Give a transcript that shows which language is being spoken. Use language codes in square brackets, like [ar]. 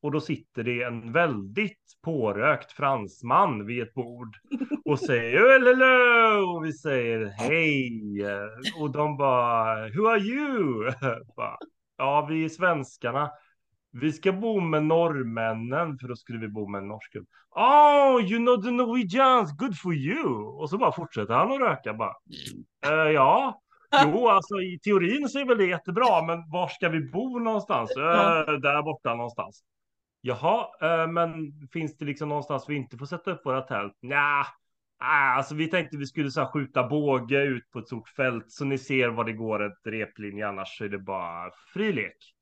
[sv] Och då sitter det en väldigt pårökt fransman vid ett bord och säger hello! Och vi säger hej. Och de bara, [en] who are you? [sv] Ja, vi är svenskarna. Vi ska bo med norrmännen, för då skulle vi bo med en norsk. [en] Oh, you know the Norwegians, good for you. [sv] Och så bara fortsätter han att röka. Bara. Ja. Jo, alltså i teorin så är väl det jättebra, men var ska vi bo någonstans? Där borta någonstans. Jaha, men finns det liksom någonstans vi inte får sätta upp våra tält? Alltså vi tänkte vi skulle så här, skjuta båge ut på ett stort fält så ni ser var det går ett replinje, annars är det bara frilek.